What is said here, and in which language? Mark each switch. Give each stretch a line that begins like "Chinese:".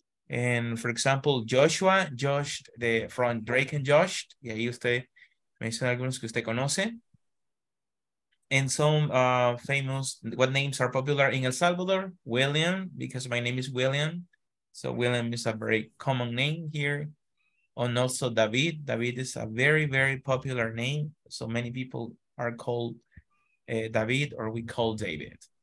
English: And for example, Josh de from Drake and Josh.
Spanish: Y ahí usted menciona algunos que usted conoce.
English: And some famous, what names are popular in El Salvador? William, because my name is William. So William is a very common name here. And also David. David is a very, very popular name. So many people are called David, or we call David.